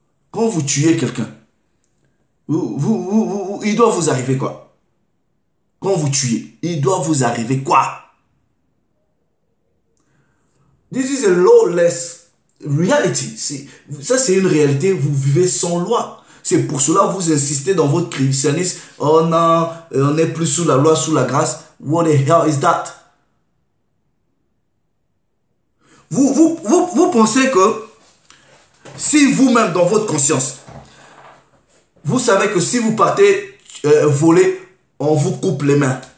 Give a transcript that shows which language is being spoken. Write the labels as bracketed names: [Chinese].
[French] Quand vous tuez quelqu'un, il doit vous arriver quoi? Quand vous tuez, il doit vous arriver quoi? [English] This is a lawless reality. [French] Ça, c'est une réalité. Vous vivez sans loi. C'est pour cela que vous insistez dans votre christianisme. Oh non, on n'est plus sous la loi, sous la grâce. [English] What the hell is that? [French] Vous pensez que si vous-même, dans votre conscience, vous savez que si vous partez voler, on vous coupe les mains.